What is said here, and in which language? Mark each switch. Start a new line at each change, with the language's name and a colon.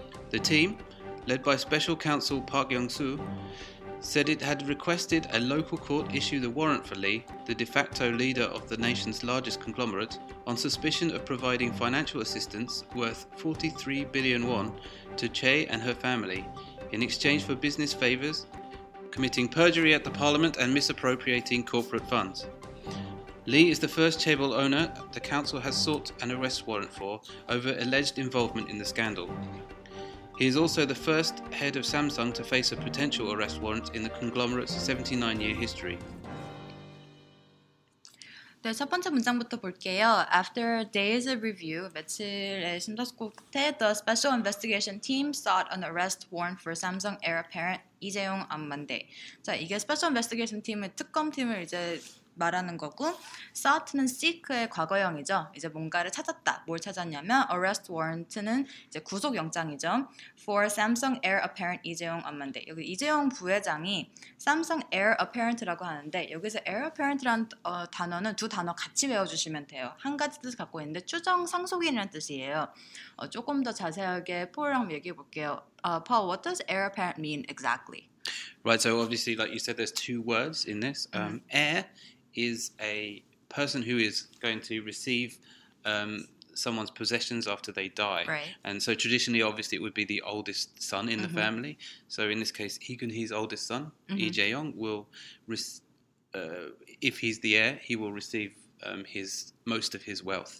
English: The team, led by special counsel Park Young-soo, said it had requested a local court issue the warrant for Lee, the de facto leader of the nation's largest conglomerate, on suspicion of providing financial assistance worth 43 billion won to Che and her family, in exchange for business favors, committing perjury at the parliament and misappropriating corporate funds. Lee is the first Chaebol owner the council has sought an arrest warrant for over alleged involvement in the scandal. He is also the first head of Samsung to face a potential arrest warrant in the conglomerate's 79-year history.
Korean: 네, 첫 번째 문장부터 볼게요.
English: After days of review,
Korean: 며칠의 심사 끝에
English: the special investigation team sought an arrest warrant for Samsung heir apparent 이재용 on Monday.
Korean: 자, 이게
English: special investigation team
Korean: 의 특검팀을 이제 말하는 거고 sought는 seek의 과거형이죠. 이제 뭔가를 찾았다. 뭘 찾았냐면 arrest warrant는 이제 구속영장이죠.
English: For Samsung heir apparent
Korean: 이재용 on Monday. 여기 이재용 부회장이 Samsung heir apparent라고 하는데 여기서 heir apparent라는 단어는 두 단어 같이 외워주시면 돼요. 한 가지 뜻을 갖고 있는데 추정 상속인이라는 뜻이에요. 조금 더 자세하게 폴이랑 얘기해 볼게요.
English: Paul, what does heir apparent mean exactly? Right, so obviously, like you said, there's two words in this. Heir is a person who is going to receive someone's possessions after they die. Right. And so traditionally, obviously, it would be the oldest son in the family. So in this case, Lee Geun-hye's oldest son, Lee Jae-yong, will, if he's the heir, he will receive most of his wealth.